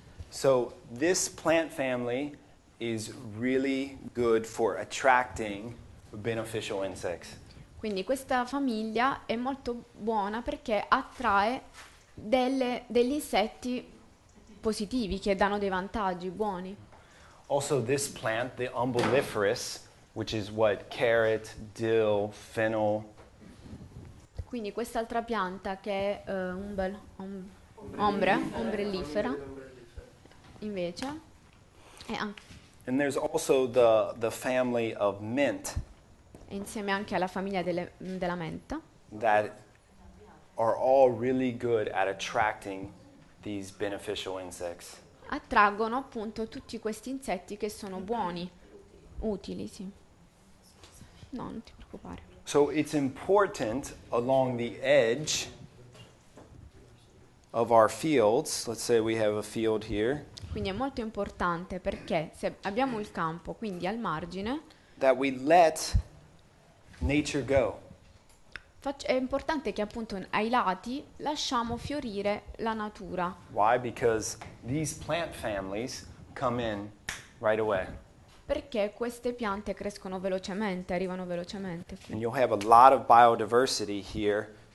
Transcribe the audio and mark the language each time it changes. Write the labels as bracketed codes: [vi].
[en] So this plant family is really good for attracting beneficial insects. [it] Quindi questa famiglia è molto buona perché attrae degli insetti positivi che danno dei vantaggi buoni. [en] Also this plant, the umbelliferous, which is what carrot, dill, fennel. [it] Quindi quest'altra pianta che è ombrellifera. Invece [en] And there's also the family of mint. [it] Insieme anche alla famiglia della menta. [en] That are all really good at attracting these beneficial insects. [it] Attraggono appunto tutti questi insetti che sono buoni, utili, sì. No, non ti preoccupare. [en] So it's important along the edge of our fields, let's say we have a field here. [it] Quindi è molto importante perché se abbiamo il campo, quindi al margine, [en] that we let nature go. [it] È importante che appunto ai lati lasciamo fiorire la natura. [en] Why? Because these plant families come in right away. [it] Perché queste piante crescono velocemente, arrivano velocemente. [en] And you'll have a lot of biodiversity here.